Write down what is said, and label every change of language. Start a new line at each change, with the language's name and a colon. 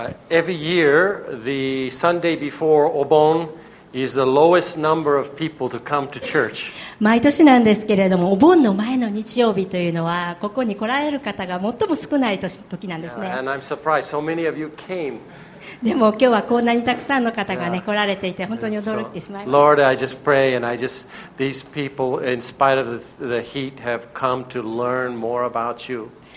English: Every year, the Sunday before Obon is the lowest number of people to come to church.
Japanese: 毎年なんですけれども、お盆の前の日曜日というのは、ここに来られる方が最も少ない時なんですね。
English: And I'm surprised so many of you came.
Japanese: でも今日はこんなにたくさんの方がね、来られていて、本当に驚いてしまいました。
English: Lord, I just pray and I just, these people, in spite of the heat, have come to learn more about you.